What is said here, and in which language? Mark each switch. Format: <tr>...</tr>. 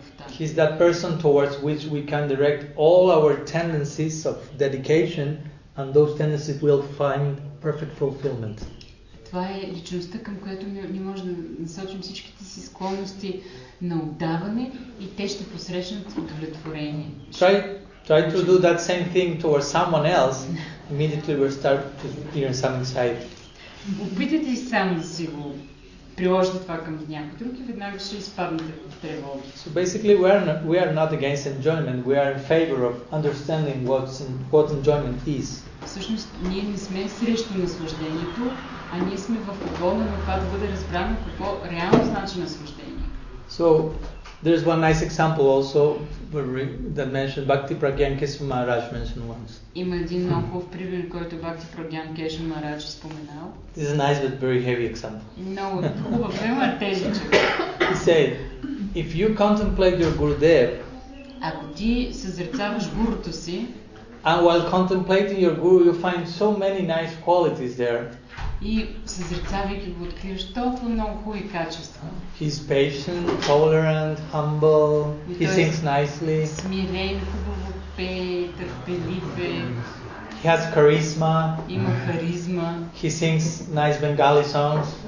<en>He's that person towards which we can direct all our tendencies of dedication, and those tendencies will find perfect fulfillment.</en> <bg>Това е личността, към която ние може да насочим всичките си склонности на отдаване и те ще посрещнат удовлетворение.</bg> <en>Try to do that same thing towards someone else, immediately we start to hear some anxiety.</en> <bg>Опитайте и сам да си го приложите това към някой друг и веднага ще изпаднете в тревога.</bg> <en>So basically we are not against enjoyment, we are in favor of understanding what enjoyment is.</en> <bg>Всъщност ние не сме срещу наслаждението, а ние сме в угода на това да бъде разбрано какво реално значи наслаждение.</bg> <en>So there's one nice example also that mentioned Bhakti Pragyan Kesava Maharaj mentioned once.</en> <bg>Има един много хубав пример, който Бхакти Прагьян Кешава Махарадж споменал.</bg> <en>This is a nice but very heavy example.</en> <bg>Много хубав пример, тежичък.</bg> <en>He said, if you contemplate your Gurudev,</en> <bg>ако ти съзерцаваш гуруто си,</bg> <en>and while contemplating your guru, you find so many nice qualities there.</en> <bg>И съзерцавайки го, откриваш толкова много хубави качества.</bg> <en>He's patient, tolerant, humble. He thinks nicely.</en> <bg>Смирен, хубаво пее, търпелив е.</bg> <en>He has charisma.</en> <bg>Има харизма.</bg> <en>He sings nice Bengali songs.</en>